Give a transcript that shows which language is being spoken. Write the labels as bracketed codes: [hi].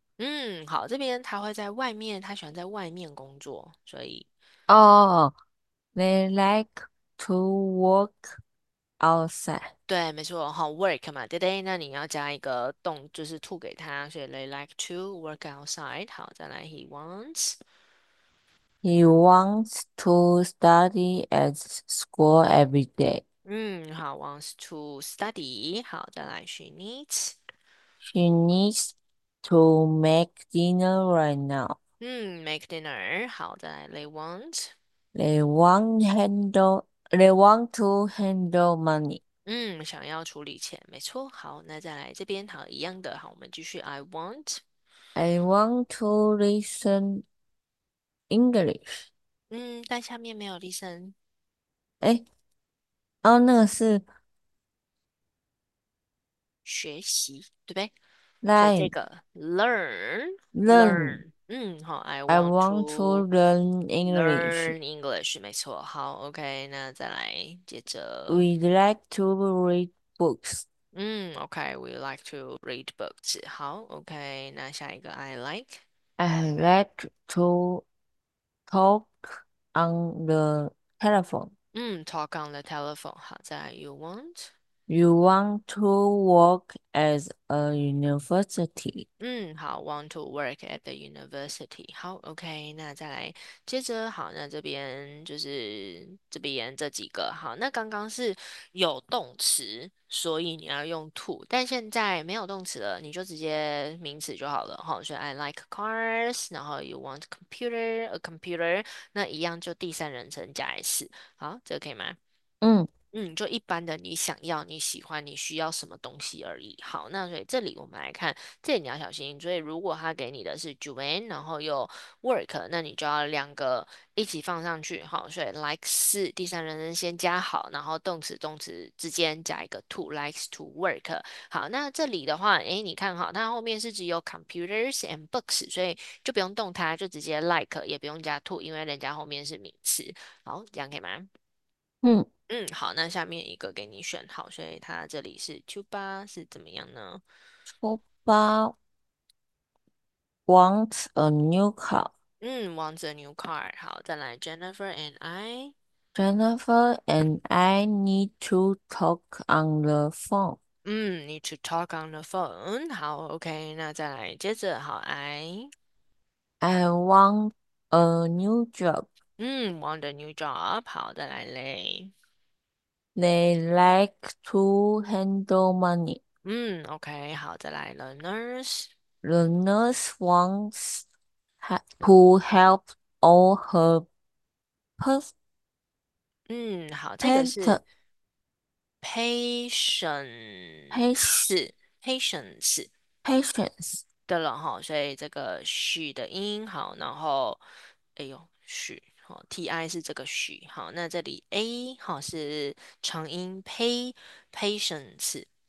[zh] 嗯，好，这边他会在外面，他喜欢在外面工作，所以， [en] 哦，they like to work outside。 [zh] 对，没错，好，work 嘛，对不对？那你要加一个动，就是 to 给他，所以 [en] they like to work outside。 [zh] 好，再来， [en] he wants。 He wants to study at school every day. [zh] 嗯，好， [en] wants to study。 [zh] 好，再来， [en] she needs。 She needs to make dinner right now. [zh] 嗯， [en] make dinner， [zh] 好，再来， [en] they want。 They want to handle money. [zh] 嗯，想要处理钱，没错。好，那再来这边，好，一样的，好，我们继续， [en] I want。 I want to listen English. [zh] 嗯，但下面没有 listen。哎，哦，那个是。学习，对不对？所以这 [en] Like [zh] 个 learn。 [en] learn, Learn，嗯，好，I I want want to to learn English. learn English， [zh] 没错，好，OK，那再来接着， [en] We'd like to read books. 嗯，OK，we like to read books，好，OK， [zh] 那下一个 [en] I like， I like to talk on the telephone. Talk on the telephone. [zh] 好，再来。 [en] You want? You want to work as a university? [zh] 好。 [en] Want to work at the university? [zh] 好，OK。那再来，接着好。那这边就是这边这几个。好，那刚刚是有动词，所以你要用 to，但现在没有动词了，你就直接名词就好了。好，所以 [en] I like cars， [zh] 然后 [en] you want computer，a computer， [zh] 那一样就第三人称加 s。好，这个可以吗？就一般的，你想要、你喜欢、你需要什么东西而已。好，那所以这里我们来看，这里你要小心。所以如果他给你的是 Joanne，然后又 work，那你就要两个一起放上去。好，所以 likes 第三人称先加好，然后动词之间加一个 [en] to likes to work。 [zh] 好，那这里的话，诶，你看好，它后面是只有 [en] computers and books， [zh] 所以就不用动它，就直接 like，也不用加 to，因为人家后面是名词。好，这样可以吗？好，那下面一个给你选好，所以它这里是 Chuba 是怎么样呢？ [en] Chuba wants a new car. Wants a new car。 [zh] 好，再来 Jennifer and I。 [en] Jennifer and I need to talk on the phone. Need to talk on the phone。 [zh] 好，OK，那再来接着好 I。 [en] I want a new job. Want a new job。 [zh] 好，再来嘞。 [en] They like to handle money. [zh] OK，好，再来了，nurse。 [en] The nurse wants to help all her [zh] 好，这个是 patience [en] patients。 [zh] 的了哈，所以这个 she 的音好，然后，哎呦，she。好，T I 是这个 she，好，那这里 A 好是长音 patience，